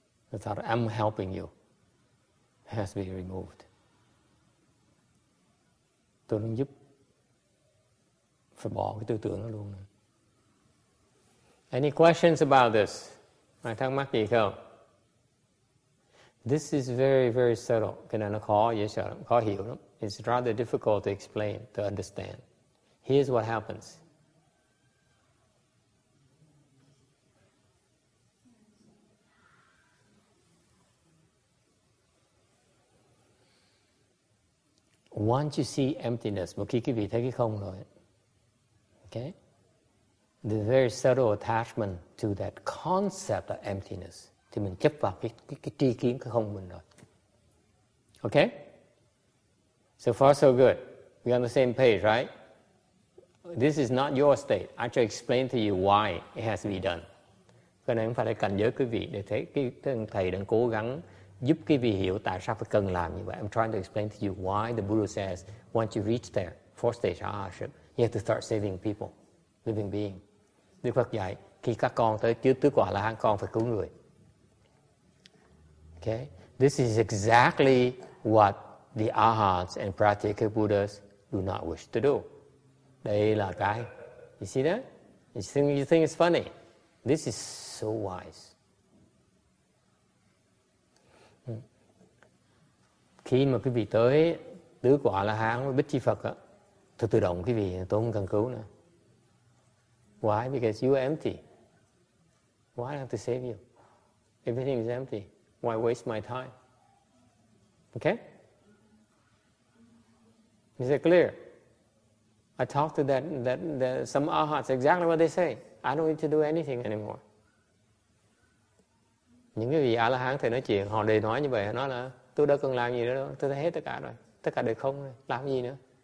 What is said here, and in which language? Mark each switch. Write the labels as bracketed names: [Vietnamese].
[English] The thought, I'm helping you, has to be removed. [Vietnamese] Tôi đang giúp, phải bỏ cái tư tưởng đó luôn. [English] Any questions about this? [Vietnamese] Mày thắc mắc gì không? [English] This is very, very subtle. [Vietnamese] Cái này nó khó, dễ sợ lắm, khó hiểu lắm. [English] It's rather difficult to explain, to understand. Here's what happens. Once you see emptiness, [Vietnamese] một khi quý vị thấy cái không rồi, okay? [English] The very subtle attachment to that concept of emptiness, [Vietnamese] thì mình chấp vào cái tri kiến cái không mình rồi. [English] Okay? So far so good. We're on the same page, right? This is not your state. I try to explain to you why it has to be done. [Vietnamese] Cái này không phải là cảnh giới quý vị để thấy cái thầy đang cố gắng giúp quý vị hiểu tại sao phải cần làm như vậy. [English] I'm trying to explain to you why the Buddha says once you reach there, fourth stage arhatship, you have to start saving people, living being. [Vietnamese] Đức Phật dạy khi các con tới chứa tứ quả là hắn con phải cứu người. [English] Okay? This is exactly what the arhats and pratica Buddhas do not wish to do. [Vietnamese] Đây là cái. [English] You see that? You think it's funny? This is so wise. [Vietnamese] Khi mà quý vị tới tứ quả là hán với bích chi Phật á, thì tự động quý vị tôi không cần cứu nữa. [English] Why? Because you are empty. Why I have to save you? Everything is empty. Why waste my time? Okay? Is it clear? I talked to that some arhats, exactly what they say. I don't need to do anything anymore. [Vietnamese] Những cái vị A-la-hán thầy nói chuyện, họ đều nói như vậy, họ nói là tôi đã cần làm gì nữa đâu, tôi đã hết tất cả rồi, tất cả đều không rồi, làm gì nữa.